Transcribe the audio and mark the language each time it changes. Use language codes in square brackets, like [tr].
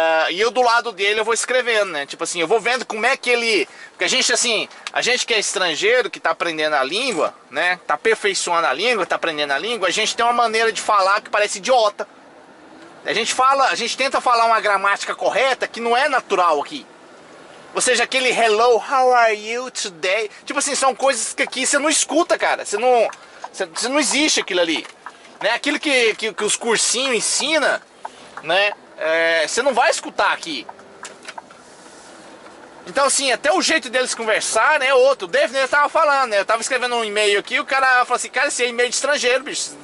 [pt] E eu do lado dele, eu vou escrevendo, né? Tipo assim, eu vou vendo como é que ele... Porque a gente, assim, a gente que é estrangeiro, que tá aprendendo a língua, né? Tá aperfeiçoando a língua, tá aprendendo a língua, a gente tem uma maneira de falar que parece idiota. A gente tenta falar uma gramática correta que não é natural aqui. Ou seja, aquele [en] hello, how are you today? [pt] Tipo assim, são coisas que aqui você não escuta, cara. Você não existe aquilo ali. Né? Aquilo que os cursinhos ensinam, né? Você não vai escutar aqui. Então assim, até o jeito deles conversar, né, outro. O Dave tava falando, né? Eu tava escrevendo um e-mail aqui, o cara falou assim, cara, esse é e-mail de estrangeiro, bicho.